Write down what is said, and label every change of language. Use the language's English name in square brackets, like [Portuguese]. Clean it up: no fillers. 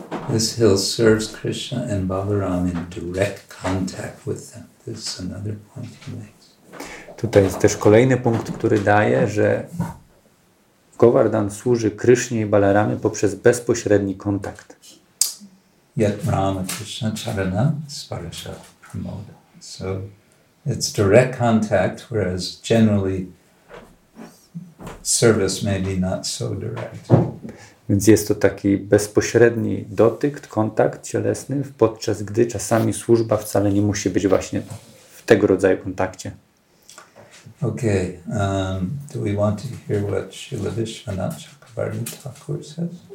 [English] This hill serves Krishna and Balaram in direct contact with them. This is another point he makes. [Polish] Tutaj jest też kolejny punkt, który daje, że Govardhan służy Krishnie i Balaramie poprzez bezpośredni kontakt. [Sanskrit] Yet Rama Krishna Charana Sparsha Pramoda. [English] So it's direct contact, whereas generally service may be not so direct. [Polish] Więc jest to taki bezpośredni dotyk, kontakt cielesny, podczas gdy czasami służba wcale nie musi być właśnie w tego rodzaju kontakcie. [English] Okay, do we want to hear what Śrīla Viśvanātha Chakravarti Thakur says?